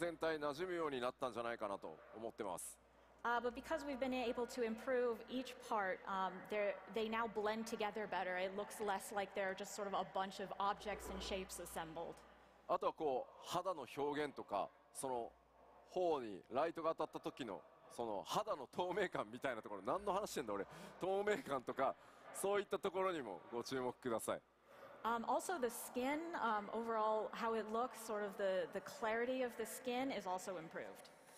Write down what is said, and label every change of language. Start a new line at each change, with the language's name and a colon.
Japanese: ただやっぱこうパーツそれぞれの精度が非常に今回高くなったことによって、まあなんかパーツ感、オブジェクト感みたいなのが減って、しっかり顔全体馴染むようになったんじゃないかなと思ってます。
English: But because we've been able to improve each part, they now blend together better. It looks less like they're just sort of a bunch of objects and shapes assembled.
Japanese: あとはこう肌の表現とか、その頬にライトが当たった時のその肌の透明感みたいなところ、何の話してんだ俺、透明感とかそういったところにもご注目ください。
English: Also the skin, overall how it looks, sort of the clarity of the skin is also improved.